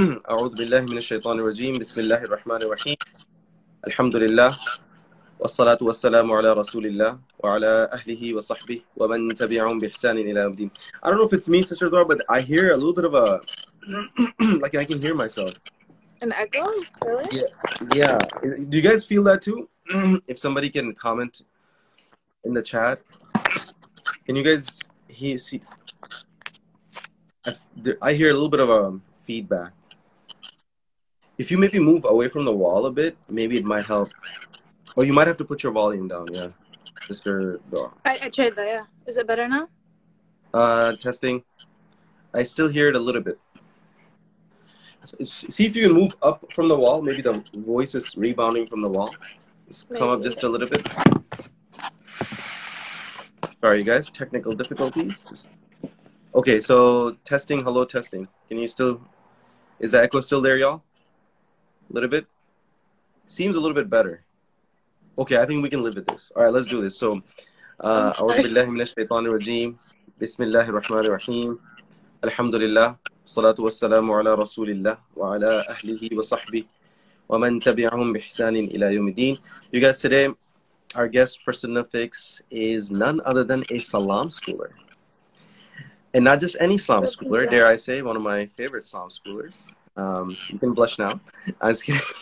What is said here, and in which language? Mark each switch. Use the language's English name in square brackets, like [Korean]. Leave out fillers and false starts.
[Arabic] أعوذ بالله من الشيطان الرجيم بسم الله الرحمن الرحيم الحمد لله والصلاة والسلام على رسول الله وعلى أهله وصحبه ومن تبعهم بإحسان إلى يوم الدين. [English] I don't know if it's me, Sister Duaa, but I hear a little bit of a like I can hear myself. An echo, really? Yeah. Do you guys feel that too? If somebody can comment in the chat, can you guys see? I hear a little bit of a feedback. If you maybe move away from the wall a bit, maybe it might help. Or you might have to put your volume down, yeah. Mr. Duaa. I tried that, yeah. Is it better now? Testing. I still hear it a little bit. See if you can move up from the wall. Maybe the voice is rebounding from the wall. Just come up just a little bit. Sorry, you guys. Technical difficulties. Okay, so testing, hello, testing. Can you still, is the echo still there, y'all? A little bit? Seems a little bit better. Okay, I think we can live with this. All right, let's do this. [Arabic] So, أعوذ بالله من الشيطان الرجيم. بسم الله الرحمن الرحيم. الحمد لله. الصلاة والسلام على رسول الله وعلى أهله وصحبه ومن تبعهم بإحسان إلى يوم الدين. [English] You guys, today, our guest for Sunnah Fix is none other than a Salam schooler. And not just any Islam schooler, dare I say, one of my favorite Islam schoolers. You can blush now. I'm just kidding.